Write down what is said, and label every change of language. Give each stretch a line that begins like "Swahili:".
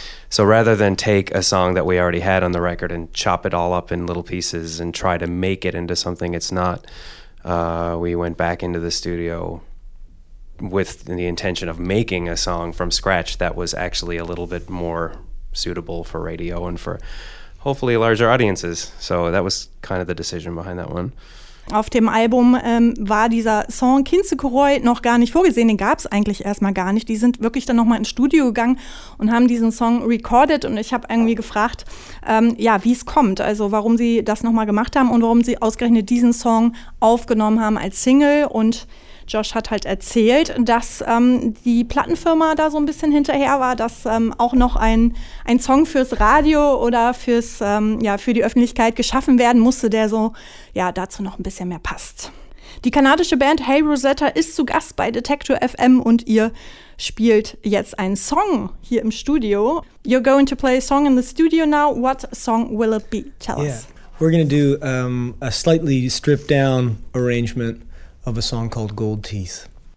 English: So rather than take a song that we already had on the record and chop it all up in little pieces and try to make it into something it's not, we went back into the studio with the intention of making a song from scratch that was actually a little bit more suitable for radio and for hopefully larger audiences. So that was kind of the decision behind that one.
German: Auf dem Album war dieser Song Kintsukuroi noch gar nicht vorgesehen, den gab es eigentlich erstmal gar nicht. Die sind wirklich dann nochmal ins Studio gegangen und haben diesen Song recorded, und ich habe irgendwie gefragt, wie es kommt, also warum sie das nochmal gemacht haben und warum sie ausgerechnet diesen Song aufgenommen haben als Single. Und Josh hat halt erzählt, dass die Plattenfirma da so ein bisschen hinterher war, dass auch noch ein Song fürs Radio oder fürs für die Öffentlichkeit geschaffen werden musste, der so dazu noch ein bisschen mehr passt. Die kanadische Band Hey Rosetta ist zu Gast bei Detektor FM und ihr spielt jetzt einen Song hier im Studio.
English: You're going to play a song in the studio now. What song will it be? Tell us. Yeah. We're gonna do a slightly stripped down arrangement of a song called Gold Teeth.